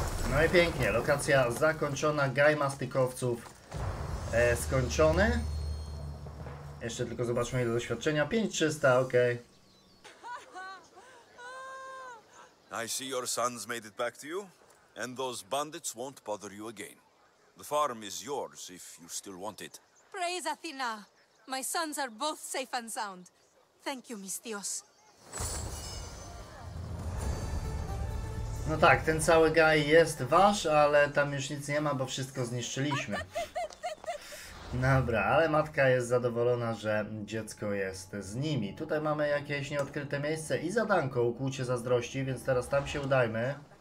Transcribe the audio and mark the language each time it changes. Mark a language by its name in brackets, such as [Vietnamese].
[Polish] No i pięknie, lokacja zakończona, gajma stykowców skończony. Jeszcze tylko zobaczmy ile doświadczenia. 5300, ok. [English] I see your sons made it back to you, and those bandits won't bother you again. The farm is yours if you still want it. Praise Athena! My sons are both safe and sound. Thank you, Mistios. [Polish] No tak, ten cały gaj jest wasz, ale tam już nic nie ma, bo wszystko zniszczyliśmy. Dobra, ale matka jest zadowolona, że dziecko jest z nimi. Tutaj mamy jakieś nieodkryte miejsce i zadanko, ukłucie zazdrości, więc teraz tam się udajmy.